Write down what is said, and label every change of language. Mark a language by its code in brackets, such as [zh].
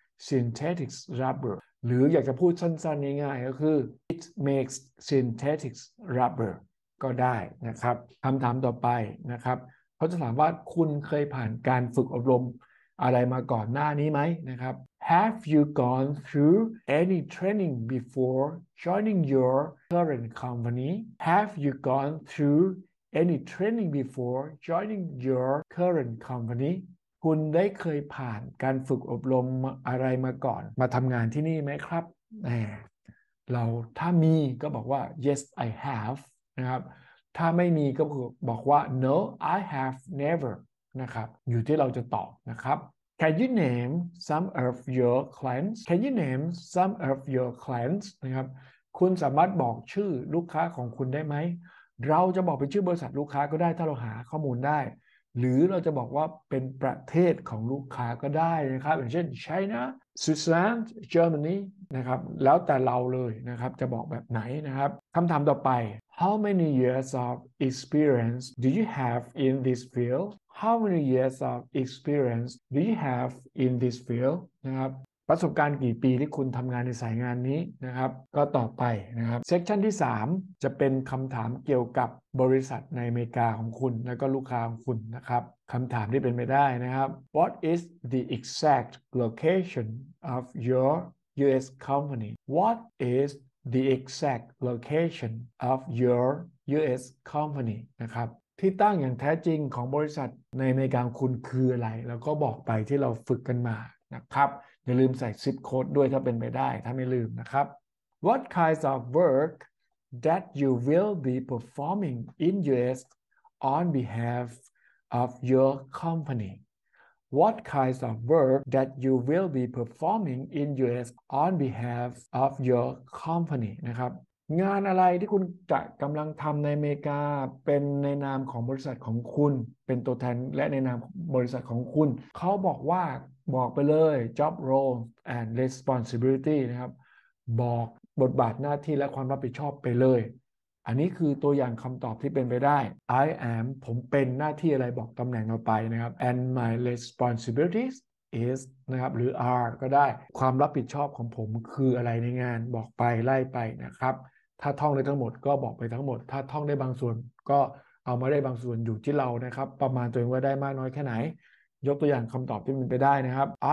[th] synthetic rubber หรืออยากจะพูดสั้นๆง่ายๆก็คือ [en] It makes synthetic rubber [th] ก็ได้นะครับคำถามต่อไปนะครับเขาจะถามว่าคุณเคยผ่านการฝึกอบรมอะไรมาก่อนหน้านี้ไหมนะครับ [en] Have you gone through any training before joining your current company? Have you gone throughAny training before joining your current company? [th] คุณได้เคยผ่านการฝึกอบรมอะไรมาก่อนมาทำงานที่นี่ไหมครับเราถ้ามีก็บอกว่า [en] Yes I have [th] นะครับถ้าไม่มีก็บอกว่า [en] No I have never [th] นะครับอยู่ที่เราจะตอบนะครับ [en] Can you name some of your clients? Can you name some of your clients? [th] นะครับคุณสามารถบอกชื่อลูกค้าของคุณได้ไหมเราจะบอกเป็นชื่อบริษัทลูกค้าก็ได้ถ้าเราหาข้อมูลไ หรือเราจะบอกว่าเป็นประเทศของลูกค้าก็ได้นะครับอย่างเช่น China Switzerland Germany นะครับแล้วแต่เราเลยนะครับจะบอกแบบไหนนะครับคำถามต่อไป [en] How many years of experience do you have in this field? How many years of experience do you have in this field? [th] นะครับประสบการณ์กี่ปีที่คุณทำงานในสายงานนี้นะครับก็ตอบไปนะครับเซกชันที่3จะเป็นคำถามเกี่ยวกับบริษัทในอเมริกาของคุณและก็ลูกค้าของคุณนะครับคำถามที่เป็นไปได้นะครับ [en] What is the exact location of your US company? What is the exact location of your US company? [th] นะครับที่ตั้งอย่างแท้จริงของบริษัทในอเมริกาคุณคืออะไรแล้วก็บอกไปที่เราฝึกกันมานะครับอย่าลืมใส่ zip code ด้วยถ้าเป็นไปได้ถ้าไม่ลืมนะครับ [en] What kinds of work that you will be performing in US on behalf of your company? What kinds of work that you will be performing in US on behalf of your company? [th] นะครับงานอะไรที่คุณจะกำลังทำในอเมริกาเป็นในนามของบริษัทของคุณเป็นตัวแทนและในนามบริษัทของคุณเขาบอกว่าบอกไปเลย [en] job role and responsibility [th] นะครับ บอกบทบาทหน้าที่และความรับผิดชอบไปเลยอันนี้คือตัวอย่างคำตอบที่เป็นไปได้ [en] I am [th] ผมเป็นหน้าที่อะไรบอกตำแหน่งเราไปนะครับ [en] and my responsibilities is [th] นะครับหรือ are ก็ได้ความรับผิดชอบของผมคืออะไรในงานบอกไปไล่ไปนะครับถ้าท่องได้ทั้งหมดก็บอกไปทั้งหมดถ้าท่องได้บางส่วนก็เอามาได้บางส่วนอยู่ที่เรานะครับประมาณตัวเองว่าได้มากน้อยแค่ไหนยกตัวอย่างคำตอบที่มันไปได้นะครับ